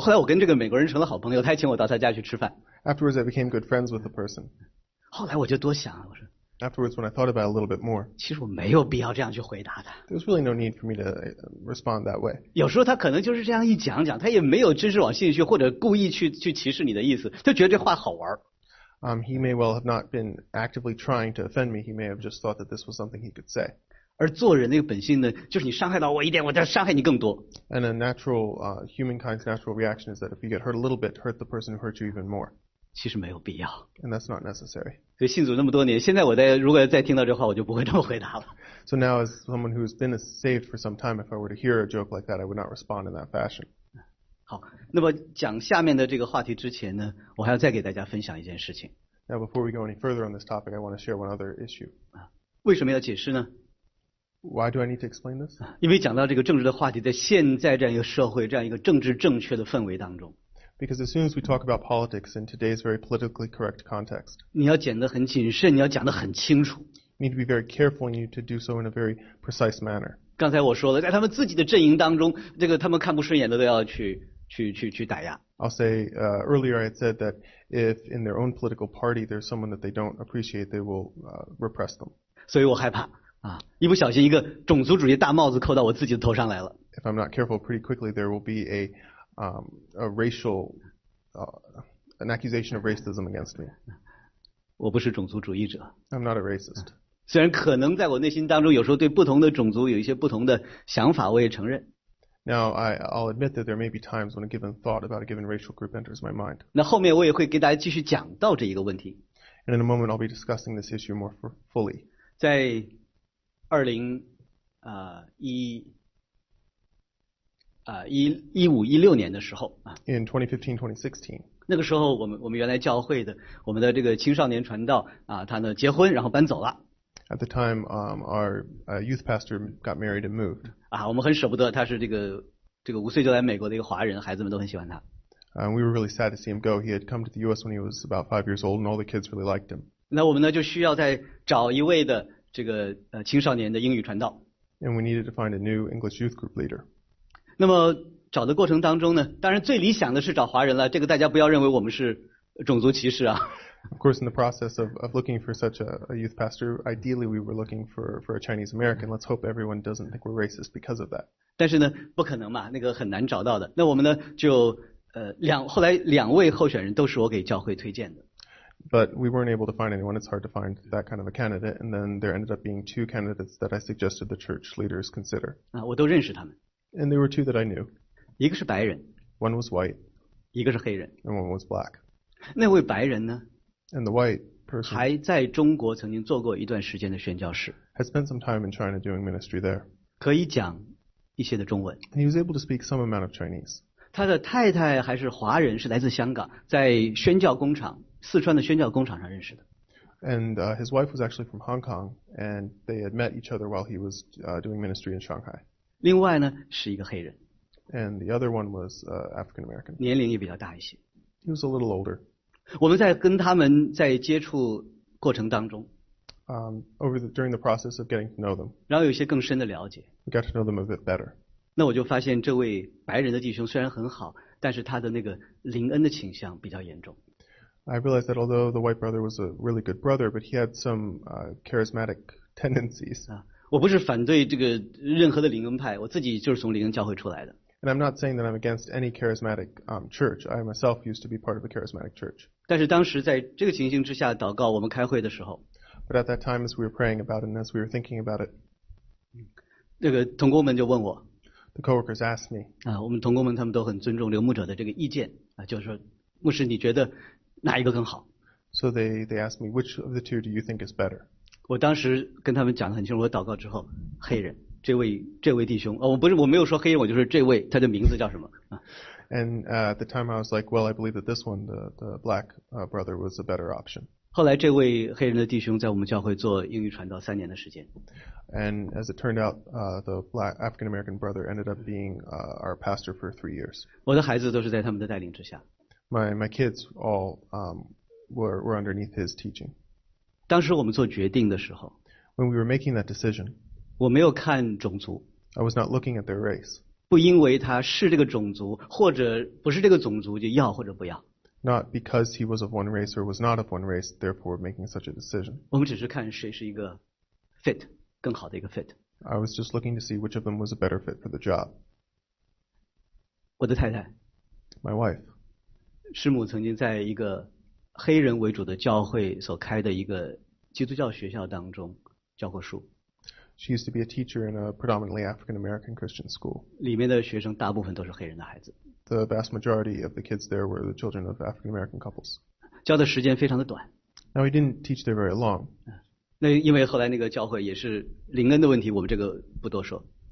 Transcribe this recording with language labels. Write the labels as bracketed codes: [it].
[zh] 后来我跟这个美国人成了好朋友，他还请我到他家去吃饭。 [en] Afterwards, I became good friends with the person. [zh] 后来我就多想，我说 [en] Afterwards, when I thought about it a little bit more. [zh] 其实我没有必要这样去回答的。 [en] There was really no need for me to respond that way. [zh] 有时候他可能就是这样一讲讲，他也没有真是往心里去，或者故意去歧视你的意思，他觉得这话好玩。 [en] He may well have not been actively trying to offend me. He may have just thought that this was something he could say. [zh] 而做人那个本性呢，就是你伤害到我一点，我再伤害你更多。 [en] And a natural humankind's natural reaction is that if you get hurt a little bit, hurt the person who hurt you even more. [zh] 其实没有必要。 [en] And that's not necessary. [zh] 所以信主那么多年，现在我在如果再听到这话，我就不会这么回答了。 [en] So now, as someone who's been saved for some time, if I were to hear a joke like that, I would not respond in that fashion. [zh] 好，那么讲下面的这个话题之前呢，我还要再给大家分享一件事情。 [en] Now before we go any further on this topic, I want to share one other issue. [zh] 啊，为什么要解释呢？ [en] Why do I need to explain this? [zh] 因为讲到这个政治的话题，在现在这样一个社会，这样一个政治正确的氛围当中。 [en] Because as soon as we talk about politics in today's very politically correct context, [zh] 你要讲得很谨慎，你要讲得很清楚。 [en] You need to be very careful, and you need to do so in a very precise manner. [zh] 刚才我说了，在他们自己的阵营当中，这个他们看不顺眼的都要去打压。 [en] I'll say, earlier I had said that if in their own political party there's someone that they don't appreciate, they will repress them. [zh] 所以我害怕啊，一不小心一个种族主义大帽子扣到我自己的头上来了。 [en] If I'm not careful, pretty quickly there will be an accusation of racism against me. [zh] 我不是种族主义者。 [en] I'm not a racist. [zh] 虽然可能在我内心当中有时候对不同的种族有一些不同的想法，我也承认。 [en] Now I'll admit that there may be times when a given thought about a given racial group enters my mind. [zh] 那后面我也会给大家继续讲到这一个问题。 [en] And in a moment I'll be discussing this issue more fully. [zh] 在二零一一五一六年的时候 [en] In 2015-2016. [zh] 那个时候我们原来教会的我们的这个青少年传道他呢结婚然后搬走了。 [en] At the time, our youth pastor got married and moved. [zh] 我们很舍不得，他是这个五岁就来美国的一个华人，孩子们都很喜欢他。 [en] We were really sad to see him go. He had come to the U.S. when he was about 5 years old, and all the kids really liked him. [zh] 那我们呢就需要再找一位的这个青少年的英语传道。 [en] And we needed to find a new English youth group leader. [zh] 那么找的过程当中呢，当然最理想的是找华人了，这个大家不要认为我们是种族歧视啊。 [en] Of course, in the process of looking for such a youth pastor, ideally we were looking for a Chinese American. Let's hope everyone doesn't think we're racist because of that. [zh] 但是呢，不可能嘛，那个很难找到的。那我们呢，就后来两位候选人都是我给教会推荐的。 [en] But we weren't able to find anyone. It's hard to find that kind of a candidate. And then there ended up being two candidates that I suggested the church leaders consider. [zh] 我都认识他们。 [en] And there were two that I knew. [zh] 一个是白人。 [en] One was white. [zh] 一个是黑人。 [en] And one was black. [zh] 那位白人呢？ [en] And the white person [zh] 还在中国曾经做过一段时间的宣教士 [en] has spent some time in China doing ministry there. [zh] 可以讲一些的中文 [en] And he was able to speak some amount of Chinese. [zh] 他的太太还是华人，是来自香港，在宣教工厂，四川的宣教工厂上认识的。 [en] And his wife was actually from Hong Kong, and they had met each other while he was doing ministry in Shanghai. [zh] 另外呢，是一个黑人。 [en] And the other one was African American. [zh] 年龄也比较大一些。 [en] He was a little older. [zh] 我们在跟他们在接触过程当中 [en] during the process of getting to know them, [zh] 然后有一些更深的了解 [en] we got to know them a bit better. [zh] 那我就发现这位白人的弟兄虽然很好但是他的那个灵恩的倾向比较严重 [en] I realized that although the white brother was a really good brother but he had some charismatic tendencies [zh] 我不是反对这个任何的灵恩派我自己就是从灵恩教会出来的 [en] And I'm not saying that I'm against any charismatic church. I myself used to be part of a charismatic church. [zh] 但是当时在这个情形之下祷告我们开会的时候 [en] But at that time as we were praying about it and as we were thinking about it, [zh] 那个同工们就问我 [en] The co-workers asked me, [zh] 我们同工们他们都很尊重刘牧者的这个意见就是说牧师你觉得哪一个更好 [en] So they asked me, which of the two do you think is better? [zh] 我当时跟他们讲得很清楚我祷告之后黑人这位弟兄我不是我没有说黑人我就是这位他的名字叫什么 [en] And at the time I was like, well, I believe that this one, the black brother was a better option. [zh] 后来这位黑人的弟兄在我们教会做英语传道三年的时间。 [en] And as it turned out, the black African-American brother ended up being our pastor for 3 years. [zh] 我的孩子都是在他们的带领之下。 [en] My kids all were underneath his teaching. [zh] 当时我们做决定的时候。 [en] When we were making that decision, [zh] 我没有看种族 [en] I was not looking at their race. [zh] 不因为他是这个种族或者不是这个种族就要或者不要 [en] Not because he was of one race or was not of one race, therefore making such a decision. [zh] 我们只是看谁是一个 fit, 更好的一个 fit. [en] I was just looking to see which of them was a better fit for the job. [zh] 我的太太 [en] My wife. [zh] 师母曾经在一个黑人为主的教会所开的一个基督教学校当中教过书 [en] She used to be a teacher in a predominantly African-American Christian school. [zh] 里面的学生大部分都是黑人的孩子。 [en] The vast majority of the kids there were the children of African-American couples. [zh] 教的时间非常的短。 [en] Now, he didn't teach there very long. [zh] 那因为后来那个教会也是林恩的问题，我们这个不多说。